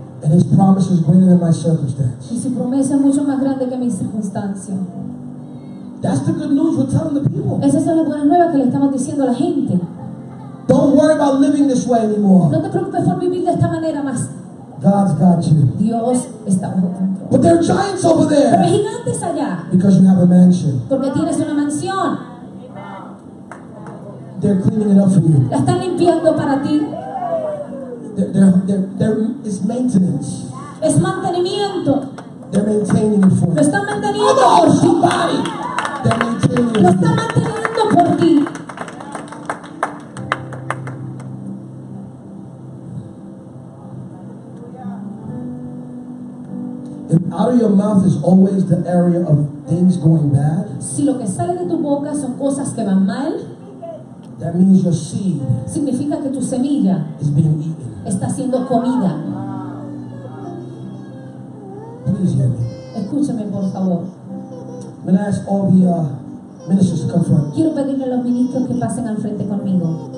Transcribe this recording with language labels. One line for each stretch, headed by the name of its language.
English: And his promise is greater than my circumstance.
Spanish: Y su promesa es mucho más grande que mi circunstancia.
English: That's the good news we're telling the people.
Spanish: Esa es la buena nueva que le estamos diciendo a la gente.
English: Don't worry about living this way anymore.
Spanish: No te preocupes por vivir de esta manera más.
English: God's got you.
Spanish: Dios está bajo control.
English: But there are giants over there.
Spanish: Pero hay gigantes allá.
English: Because you have a mansion.
Spanish: Porque tienes una mansión.
English: They're cleaning it up for you.
Spanish: La están limpiando para ti.
English: There is maintenance.
Spanish: Es mantenimiento.
English: They're maintaining it for you.
Spanish: Lo están manteniendo por ti.
English: Somebody. They're maintaining it.
Spanish: Lo están manteniendo por ti.
English: If out of your mouth is always the area of things going bad,
Spanish: si lo que sale de tu boca son cosas que van mal,
English: that means your seed
Spanish: significa que tu semilla
English: is being eaten.
Spanish: Está siendo comida.
English: Please hear me.
Spanish: Escúchame, por favor.
English: I'm going to ask all the ministers to come front.
Spanish: Quiero pedirle a los ministros que pasen al frente conmigo.